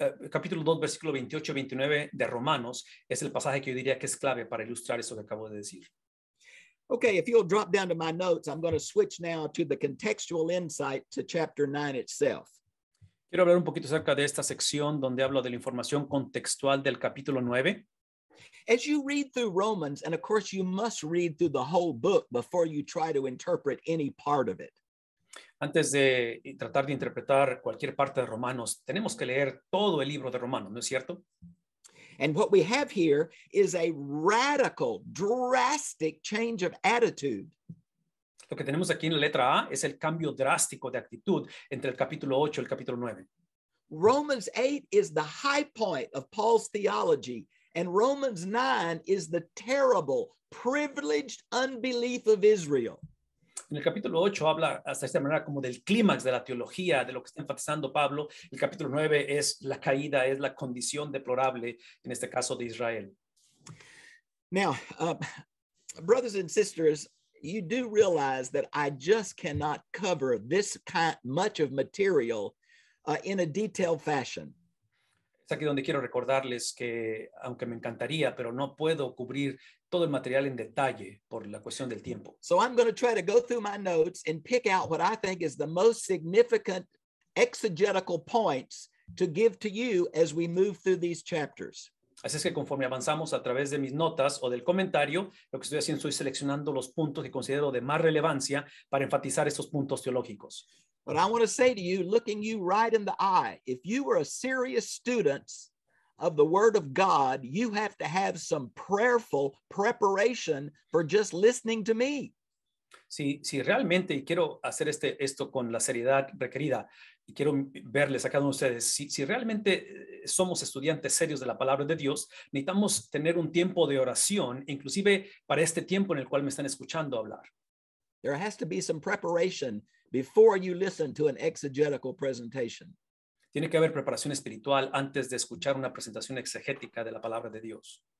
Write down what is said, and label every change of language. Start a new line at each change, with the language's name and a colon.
Spanish: Capítulo 2, versículo 28 y 29 de Romanos es el pasaje que yo diría que es clave para ilustrar eso que acabo de decir.
English: Okay, if you'll drop down to my notes, I'm going to switch now to the contextual insight to chapter 9 itself.
Spanish: Quiero hablar un poquito acerca de esta sección donde hablo de la información contextual del capítulo 9.
English: As you read through Romans, and of course you must read through the whole book before you try to interpret any part of it.
Spanish: Antes de tratar de interpretar cualquier parte de Romanos, tenemos que leer todo el libro de Romanos, ¿no es cierto?
English: And what we have here is a radical, drastic change of attitude.
Spanish: Lo que tenemos aquí en la letra A es el cambio drástico de actitud entre el capítulo 8 y el capítulo 9.
English: Romans 8 is the high point of Paul's theology, and Romans 9 is the terrible, privileged unbelief of Israel.
Spanish: En el capítulo 8 habla hasta esta manera como del clímax de la teología, de lo que está enfatizando Pablo. El capítulo 9 es la caída, es la condición deplorable, en este caso de Israel.
English: Now, brothers and sisters, you do realize that I just cannot cover this much of material in a detailed fashion.
Spanish: Es aquí donde quiero recordarles que, aunque me encantaría, pero no puedo cubrir todo el material en detalle por la cuestión del tiempo.
English: So I'm going to try to go through my notes and pick out what I think is the most significant exegetical points to give to you as we move through these chapters.
Spanish: Así es que conforme avanzamos a través de mis notas o del comentario, lo que estoy haciendo es seleccionando los puntos que considero de más relevancia para enfatizar estos puntos teológicos.
English: But I want to say to you, looking you right in the eye, if you were a serious student of the Word of God, you have to have some prayerful preparation for just listening to me.
Spanish: Si realmente, y quiero hacer esto con la seriedad requerida, y quiero verles a cada uno de ustedes, si realmente somos estudiantes serios de la palabra de Dios, necesitamos tener un tiempo de oración, inclusive para este tiempo en el cual me están escuchando hablar.
English: There has to be some preparation before you listen to an exegetical presentation.
Spanish: Tiene que haber preparación espiritual antes de escuchar una presentación exegética de la palabra de Dios.